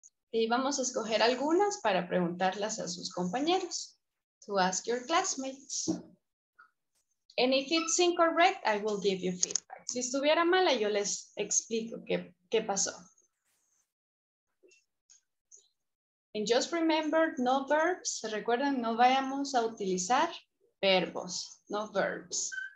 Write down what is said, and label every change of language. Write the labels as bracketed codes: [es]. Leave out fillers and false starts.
[es] Y vamos a escoger algunas para preguntarlas a sus compañeros. [en] To ask your classmates. And if it's incorrect, I will give you feedback. [es] Si estuviera mala, yo les explico qué pasó. [en] And just remember, no verbs. [es] Recuerden, no vayamos a utilizar verbos. [en] No verbs.